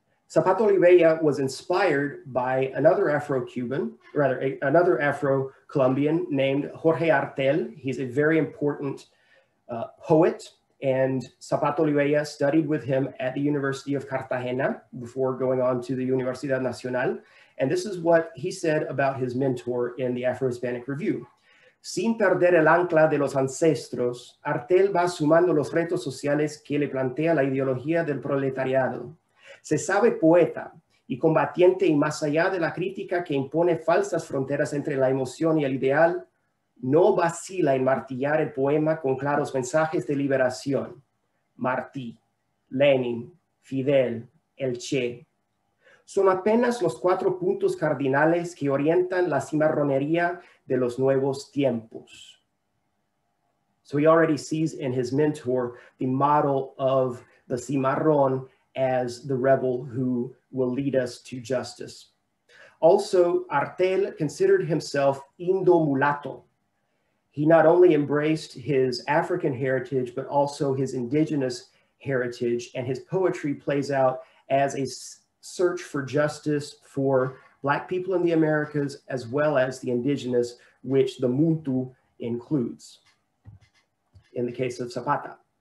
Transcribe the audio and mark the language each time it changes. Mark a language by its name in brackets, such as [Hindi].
[English] Zapata Oliveira was inspired by another Afro-Cuban, rather another Afro-Colombian named Jorge Artel. He's a very important poet, and Zapata Oliveira studied with him at the University of Cartagena before going on to the Universidad Nacional. And this is what he said about his mentor in the Afro-Hispanic Review. [Spanish] "Sin perder el ancla de los ancestros, Artel va sumando los retos sociales que le plantea la ideología del proletariado. Se sabe poeta y combatiente y más allá de la crítica que impone falsas fronteras entre la emoción y el ideal, no vacila en martillar el poema con claros mensajes de liberación. Martí, Lenin, Fidel, El Che. Son apenas los cuatro puntos cardinales que orientan la cimarronería de los nuevos tiempos." [English] So he already sees in his mentor the model of the cimarrón as the rebel who will lead us to justice. Also, Artel considered himself Indo Mulato. He not only embraced his African heritage, but also his indigenous heritage, and his poetry plays out as a search for justice for Black people in the Americas, as well as the indigenous, which the Muntu includes in the case of Zapata.